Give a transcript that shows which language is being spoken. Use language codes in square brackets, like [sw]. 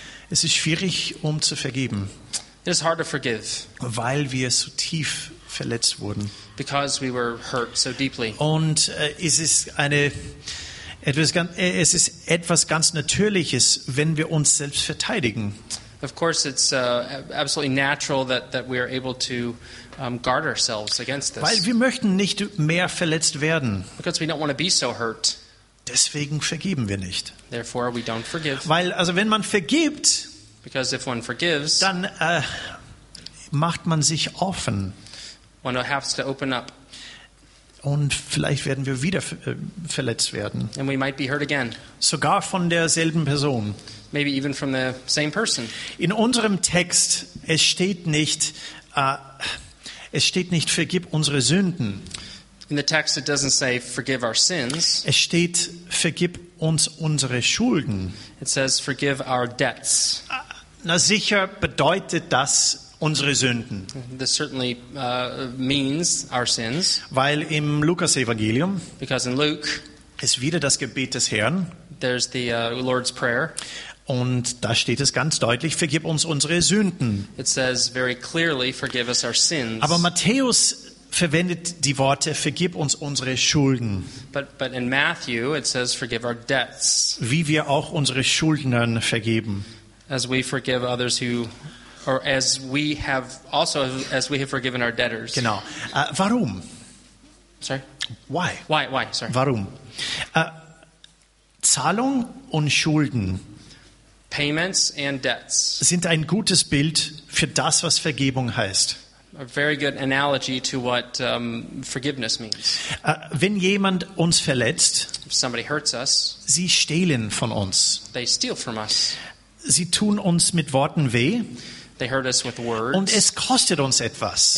[de] Es ist schwierig, zu vergeben. [en] It is hard to forgive. [de] Weil wir so tief verletzt wurden. [en] Because we were hurt so deeply. [de] Und es ist etwas ganz Natürliches, wenn wir uns selbst verteidigen. [en] Of course, it's absolutely natural that we are able to guard ourselves against this. [de] Weil wir möchten nicht mehr verletzt werden. [en] Because we don't want to be so hurt. [de] Deswegen vergeben wir nicht. [en] Therefore, we don't forgive. [de] Weil, also wenn man vergibt, [en] because if one forgives, [de] dann macht man sich offen. [en] One has to open up. [de] Und vielleicht werden wir wieder verletzt werden. [en] And we might be hurt again. [de] Sogar von derselben Person. [en] Maybe even from the same person. [de] In unserem Text, es steht nicht vergib unsere Sünden. [en] In the text it doesn't say forgive our sins. [de] Es steht vergib uns unsere Schulden. [en] It says forgive our debts. [de] Na sicher bedeutet das unsere Sünden. [en] This certainly means our sins. [de] Weil im Lukas Evangelium, [en] because in Luke, [de] ist wieder das Gebet des Herrn. [en] There's the Lord's prayer. [de] Und da steht es ganz deutlich, vergib uns unsere Sünden. [en] It says very clearly, forgive us our sins. [de] Aber Matthäus verwendet die Worte, vergib uns unsere Schulden. [en] But in Matthew it says, forgive our debts. [de] Wie wir auch unsere Schuldnern vergeben. [en] As we forgive others who, or as we have also, as we have forgiven our debtors. [de] Genau. Warum? [en] Sorry? Why? Why, sorry. [de] Warum? Zahlung und Schulden. [en] Payments and debts [de] sind ein gutes Bild für das, was Vergebung heißt. [en] A very good analogy to what forgiveness means. [de] Wenn jemand uns verletzt, [en] if somebody hurts us, [de] sie stehlen von uns. [en] They steal from us. [de] Sie tun uns mit Worten weh. [en] They hurt us with words. [de] Und es kostet uns etwas.